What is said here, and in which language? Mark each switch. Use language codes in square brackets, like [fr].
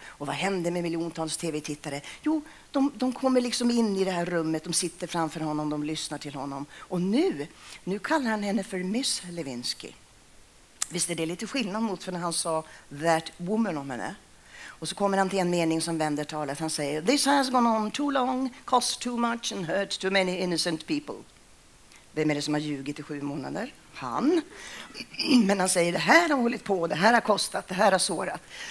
[sv] Och vad händer med miljontals tv-tittare? Jo, de kommer liksom in i det här rummet. De sitter framför honom, de lyssnar till honom. Och nu kallar han henne för Miss Lewinsky. Visst är det lite skillnad mot för när han sa [en] that woman [sv] om henne. Och så kommer han till en mening som vänder talet. Han säger [en] this has gone on too long, cost too much and hurt too many innocent people. [sv] Vem är det som har ljugit i 7 månader? Han. Men han säger, det här har hållit på, det här har kostat, det här har sårat.